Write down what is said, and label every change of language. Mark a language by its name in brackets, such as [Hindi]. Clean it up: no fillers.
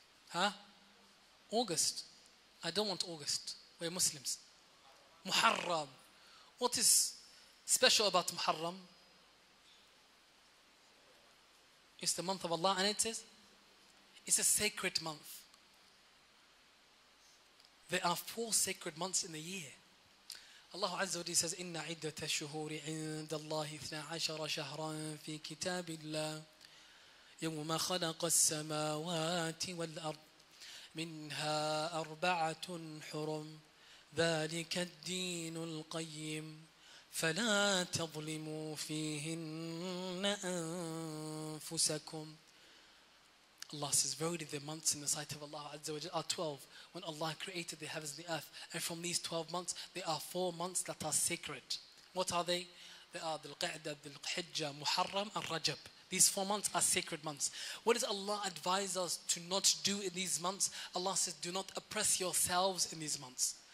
[English] Huh? August. I don't want August. We're Muslims. Muharram. What is special about Muharram? It's the month of Allah, and it is? It's a sacred month. There are four sacred months in the year. Allah Azza wa Jalla says, [Arabic] إِنَّ عِدَّةَ الشُّهُورِ عِندَ اللَّهِ 12 شَهْرًا فِي كِتَابِ اللَّهِ يَوْمَ خَلَقَ السَّمَاوَاتِ وَالْأَرْضِ منها أربعة حرم ذلك الدين القيم فلا تظلموا فيهن أنفسكم. [English] Allah says, verily the months in the sight of Allah Azza wa Jal are 12 when Allah created the heavens and the earth. And from these 12 months, there are 4 months that are sacred. What are they? They are Dhul Qa'dah, Dhul Hijjah, Muharram, and Rajab. These 4 months are sacred months. What does Allah advise us to not do in these months? Allah says, do not oppress yourselves in these months.